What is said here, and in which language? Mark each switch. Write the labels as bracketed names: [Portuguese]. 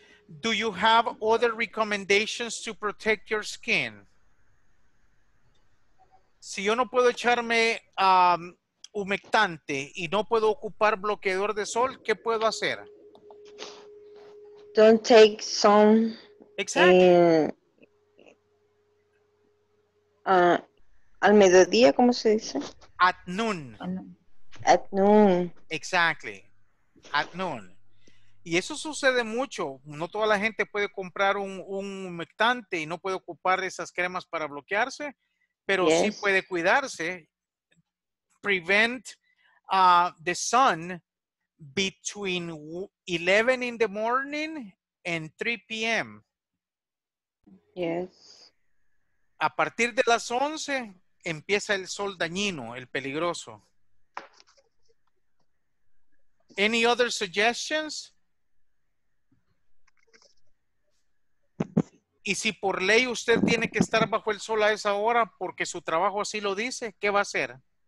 [English] Do you have other recommendations to protect your skin? [Spanish] Si yo no puedo echarme humectante y no puedo ocupar bloqueador de sol, ¿qué puedo hacer? [English] Don't take sun. Exactly. [Spanish] Al mediodía, ¿cómo se dice? [English] At noon. At noon. Exactly. At noon. [Spanish] Y eso sucede mucho. No toda la gente puede comprar un humectante y no puede ocupar esas cremas para bloquearse, pero yes, sí puede cuidarse. [English] Prevent the sun between 11 in the morning and 3 p.m. Yes. [Spanish] A partir de las 11 empieza el sol dañino, el peligroso. [English] Any other suggestions? [Spanish] Y si por ley usted tiene que estar bajo el sol a esa hora porque su trabajo así lo dice, ¿qué va a hacer?